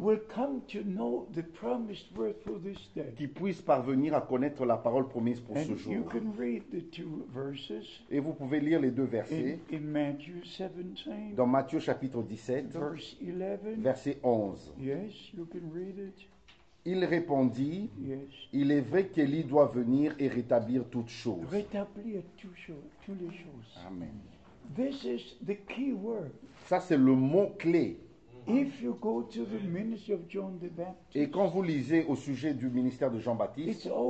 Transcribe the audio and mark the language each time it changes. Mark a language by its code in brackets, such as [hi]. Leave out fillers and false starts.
[en] will come to know the promised word for this day. [fr] Qui puissent parvenir à connaître la parole promise pour [en] and [fr] ce jour. [en] You can read the two verses [fr] et vous pouvez lire les deux versets [en] in Matthew 17, [fr] dans Matthieu chapitre 17, [en] verse 11, [fr] verset 11. [en] Yes, you can read it. [fr] Il répondit, [en] yes. [fr] Il est vrai qu'Élie doit venir et rétablir toutes choses. Rétablir toutes les choses. Amen. [en] This is the key word. [fr] Ça, c'est le mot clé. [en] If you go to the ministry of John the Baptist, [fr] et quand vous lisez au sujet du ministère de Jean-Baptiste,